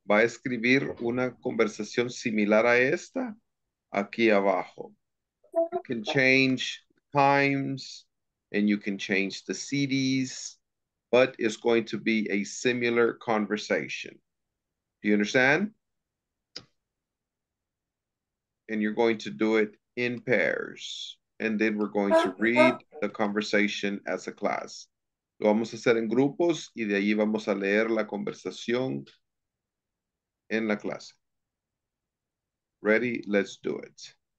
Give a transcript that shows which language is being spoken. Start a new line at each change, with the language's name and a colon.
Spanish: Va a escribir una conversación similar a esta aquí abajo.
English: You can change times, and you can change the cities, but it's going to be a similar conversation. Do you understand? And you're going to do it in pairs. And then we're going to read the conversation as a class.
Spanish: Lo vamos a hacer en grupos y de ahí vamos a leer la conversación en la clase.
English: Ready? Let's do it.